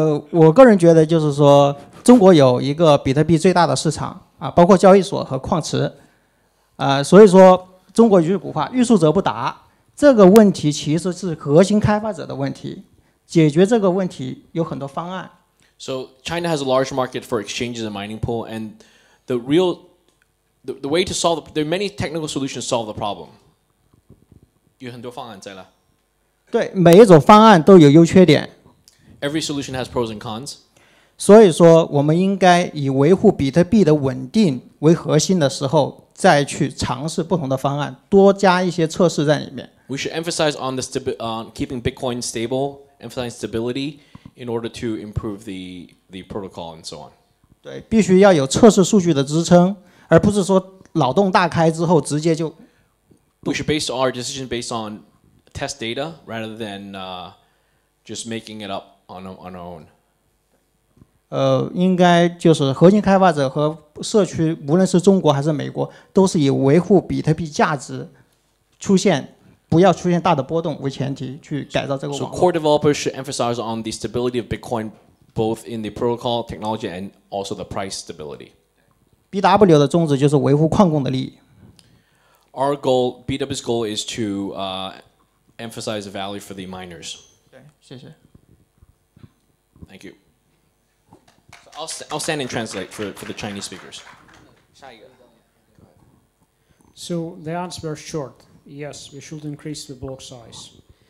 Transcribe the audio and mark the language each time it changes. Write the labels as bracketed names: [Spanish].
[Chinese] 我个人觉得就是说中国有一个比特币最大的市场啊，包括交易所和矿池。所以说中国有句古话，欲速则不达，这个问题其实是核心开发者的问题，解决这个问题有很多方案。 [English] So China has a large market for exchanges and mining pool, and the way to solve there are many technical solutions to solve the problem. [Chinese] 有很多方案在了。对，每一种方案都有优缺点。 [English] Every solution has pros and cons. [Chinese] 所以说，我们应该以维护比特币的稳定为核心的时候，再去尝试不同的方案，多加一些测试在里面。 [English] We should emphasize on the keeping Bitcoin stable, emphasize stability in order to improve the protocol and so on. [Chinese] 对，必须要有测试数据的支撑，而不是说脑洞大开之后直接就。 [English] We should base our decision based on. Test data rather than just making it up on our own. [Chinese] 应该就是核心开发者和社区，无论是中国还是美国，都是以维护比特币价值出现不要出现大的波动为前提去改造这个网络。 [English] So core developers should emphasize on the stability of Bitcoin, both in the protocol technology and also the price stability. [Chinese] BW 的宗旨就是维护矿工的利益。 [English] Our goal, BW's goal is to emphasize the value for the miners. [Chinese] 对，谢谢。 [English] Thank you. So I'll stand and translate for the Chinese speakers. [Chinese] 下一个。 [English] So the answer is short. Yes, we should increase the block size.